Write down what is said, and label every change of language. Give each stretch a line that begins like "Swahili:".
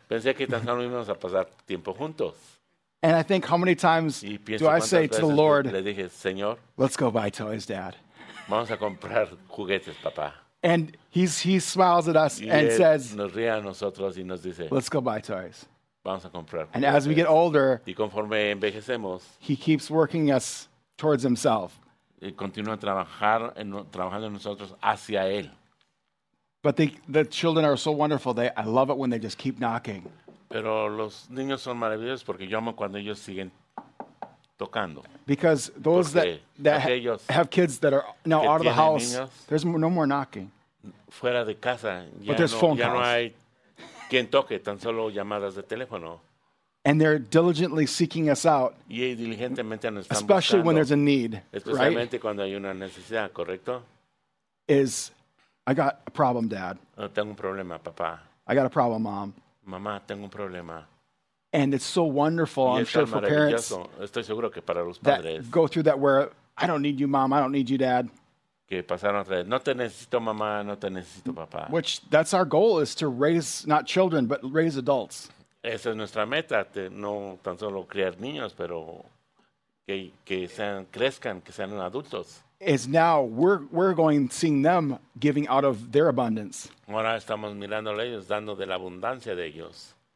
Spanish: Pensé que tan solo íbamos a pasar tiempo juntos.
English: And I think, how many times do I say to the Lord,
Spanish: le dije, Señor,
English: let's go buy toys, Dad.
Spanish: Vamos a comprar juguetes, papá.
English: And he smiles at us
Spanish: y
English: and says,
Spanish: nos ríe a nosotros y nos dice,
English: let's go buy toys.
Spanish: Vamos a comprar juguetes.
English: And as we get older,
Spanish: y conforme envejecemos,
English: he keeps working us towards himself.
Spanish: Y continúa trabajando en nosotros hacia él.
English: But the children are so wonderful. I love it when they just keep knocking.
Spanish: Pero los niños son maravillosos porque yo amo cuando ellos siguen tocando.
English: Because those that have kids that are now out of the house, there's no more knocking.
Spanish: Fuera de casa,
English: but
Spanish: ya, no,
English: phone
Spanish: ya
English: calls.
Spanish: No hay quien toque, tan solo llamadas de teléfono.
English: And they're diligently seeking us out,
Spanish: y diligentemente nos están
English: especially
Spanish: buscando,
English: when there's a need,
Spanish: especialmente
English: right?
Spanish: Cuando hay una necesidad, ¿correcto?
English: Is, I got a problem, Dad.
Spanish: Oh, tengo un problema, papá.
English: I got a problem, Mom.
Spanish: Mamá, tengo un problema.
English: And it's so wonderful, I'm sure, for parents
Spanish: estoy seguro que para los
English: that
Spanish: padres,
English: go through that where, I don't need you, Mom, I don't need you, Dad.
Spanish: Que pasaron otra vez. No te necesito, mamá, no te necesito, papá.
English: Which, that's our goal, is to raise, not children, but raise adults.
Spanish: Esa es nuestra meta, no tan solo criar niños, pero que sean, crezcan, que sean adultos.
English: Is now we're going seeing them giving out of their abundance.
Spanish: Ahora estamos mirándole ellos, dando de la abundancia de ellos.